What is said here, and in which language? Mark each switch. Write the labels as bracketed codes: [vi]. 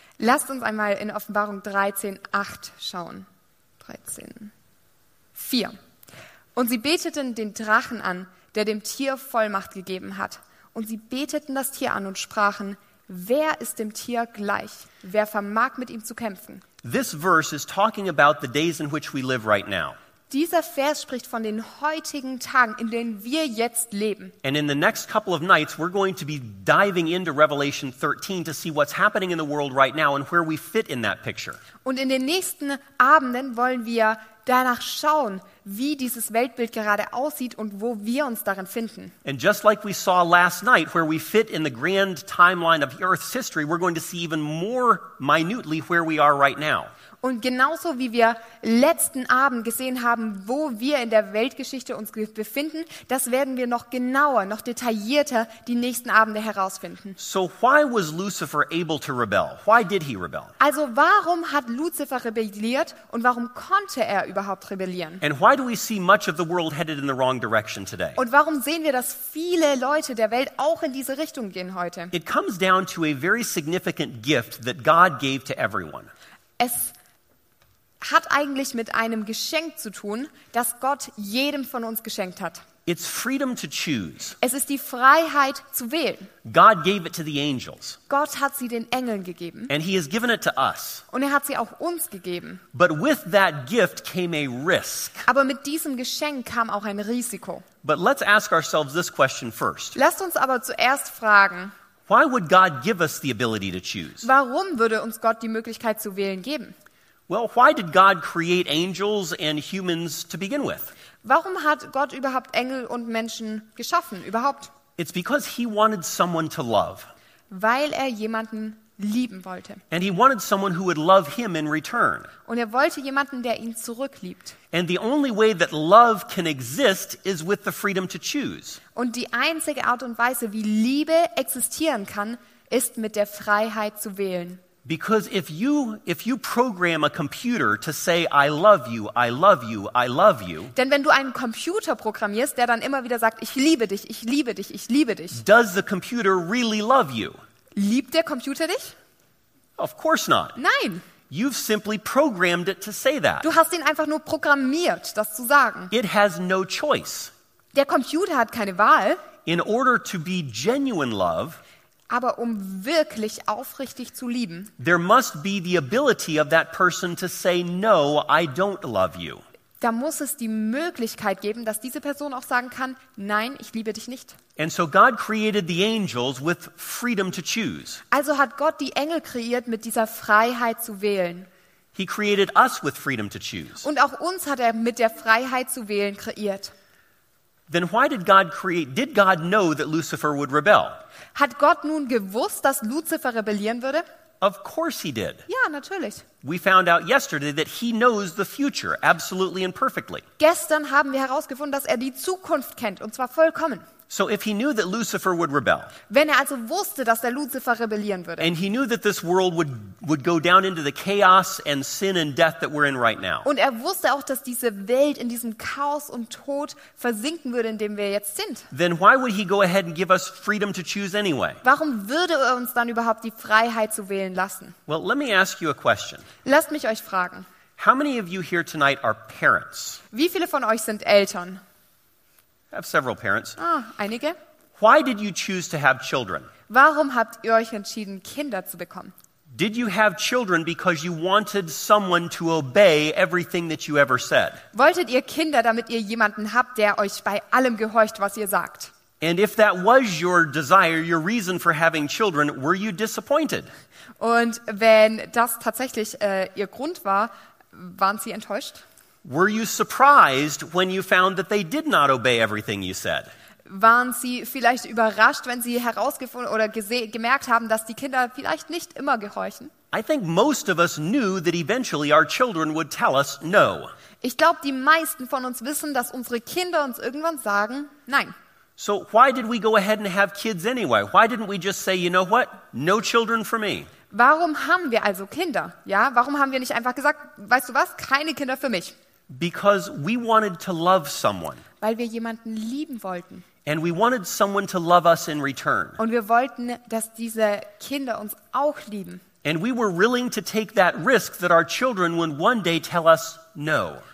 [de] Lasst uns einmal in Offenbarung 13:8 schauen. 13:4. Und sie beteten den Drachen an, der dem Tier Vollmacht gegeben hat. Und sie beteten das Tier an und sprachen: Wer ist dem Tier gleich? Wer vermag mit ihm zu kämpfen? [en] This verse is talking about the days in which we live right now. [de] Dieser Vers spricht von den heutigen Tagen, in denen wir jetzt leben. [en] And in the next couple of nights, we're going to be diving into Revelation 13 to see what's happening in the world right now and where we fit in that picture. [de] Und in den nächsten Abenden wollen wir danach schauen, wie dieses Weltbild gerade aussieht und wo wir uns darin finden. [en] And just like we saw last night, where we fit in the grand timeline of Earth's history, we're going to see even more minutely where we are right now. [de] Und genauso wie wir letzten Abend gesehen haben, wo wir in der Weltgeschichte uns befinden, das werden wir noch genauer, noch detaillierter die nächsten Abende herausfinden. [en] So why was Lucifer able to rebel? Why did he rebel? [de] Also warum hat Lucifer rebelliert und warum konnte er überhaupt rebellieren? [en] And why do we see much of the world headed in the wrong direction today? [de] Und warum sehen wir, dass viele Leute der Welt auch in diese Richtung gehen heute? [en] It comes down to a very significant gift that God gave to everyone. [de] Es hat eigentlich mit einem Geschenk zu tun, das Gott jedem von uns geschenkt hat. [en] It's freedom to choose. [de] Es ist die Freiheit zu wählen. [en] God gave it to the angels. [de] Gott hat sie den Engeln gegeben. [en] And he has given it to us. [de] Und er hat sie auch uns gegeben. [en] But with that gift came a risk. [de] Aber mit diesem Geschenk kam auch ein Risiko. [en] But let's ask ourselves this question first. [de] Lasst uns aber zuerst fragen, [en] why would God give us the ability to choose? [de] Warum würde uns Gott die Möglichkeit zu wählen geben? [en] Well, why did God create angels and humans to begin with? [de] Warum hat Gott überhaupt Engel und Menschen geschaffen überhaupt? [en] It's because he wanted someone to love. [de] Weil er jemanden lieben wollte. [en] And he wanted someone who would love him in return. [de] Und er wollte jemanden, der ihn zurückliebt. [en] And the only way that love can exist is with the freedom to choose. [de] Und die einzige Art und Weise, wie Liebe existieren kann, ist mit der Freiheit zu wählen. [en] Because if you program a computer to say I love you, I love you, I love you. [de] Denn wenn du einen Computer programmierst, der dann immer wieder sagt, ich liebe dich, ich liebe dich, ich liebe dich. [en] Does the computer really love you? [de] Liebt der Computer dich? [en] Of course not. [de] Nein. [en] You've simply programmed it to say that. [de] Du hast ihn einfach nur programmiert, das zu sagen. [en] It has no choice. [de] Der Computer hat keine Wahl. [en] In order to be genuine love, [de] aber um wirklich aufrichtig zu lieben, [en] there must be the ability of that person to say no, I don't love you. [de] Da muss es die Möglichkeit geben, dass diese Person auch sagen kann, nein, ich liebe dich nicht. [en] And so God created the angels with freedom to choose. [de] Also hat Gott die Engel kreiert mit dieser Freiheit zu wählen. [en] He created us with freedom to choose. [de] Und auch uns hat er mit der Freiheit zu wählen kreiert. [en] Then why did God know that Lucifer would rebel? [de] Hat Gott nun gewusst, dass Lucifer rebellieren würde? [en] Of course he did. [de] Ja, natürlich. [en] We found out yesterday that he knows the future absolutely and perfectly. [de] Gestern haben wir herausgefunden, dass er die Zukunft kennt, und zwar vollkommen. [en] So if he knew that Lucifer would rebel. [de] Wenn er also wusste, dass der Lucifer rebellieren würde. [en] And he knew that this world would go down into the chaos and sin and death that we're in right now. [de] Und er wusste auch, dass diese Welt in diesem Chaos und Tod versinken würde, in dem wir jetzt sind. [en] Then why would he go ahead and give us freedom to choose anyway? [de] Warum würde er uns dann überhaupt die Freiheit zu wählen lassen? [en] Well, let me ask you a question. [de] Lasst mich euch fragen. [en] How many of you here tonight are parents? [de] Wie viele von euch sind Eltern? [en] I have several parents. [de] Ah, einige. [en] Why did you choose to have children? [de] Warum habt ihr euch entschieden, Kinder zu bekommen? [en] Did you have children because you wanted someone to obey everything that you ever said? [de] Wolltet ihr Kinder, damit ihr jemanden habt, der euch bei allem gehorcht, was ihr sagt? [en] And if that was your desire, your reason for having children, were you disappointed? [de] Und wenn das tatsächlich ihr Grund war, waren sie enttäuscht? [en] Were you surprised when you found that they did not obey everything you said? [de] Waren Sie vielleicht überrascht, wenn Sie herausgefunden oder gemerkt haben, dass die Kinder vielleicht nicht immer gehorchen? [en] I think most of us knew that eventually our children would tell us no. Ich glaube, die meisten von uns wissen, dass unsere Kinder uns irgendwann sagen, nein. So why did we go ahead and have kids anyway? Why didn't we just say, you know what? No children for me. [de] Warum haben wir also Kinder? Ja, warum haben wir nicht einfach gesagt, weißt du was, keine Kinder für mich? [en] Because we wanted to love someone. [de] Weil wir jemanden lieben wollten. [en] And we wanted someone to love us in return. [de] Und wir wollten, dass diese Kinder uns auch lieben. [en] And we were willing to take that risk that our children would one day tell us no.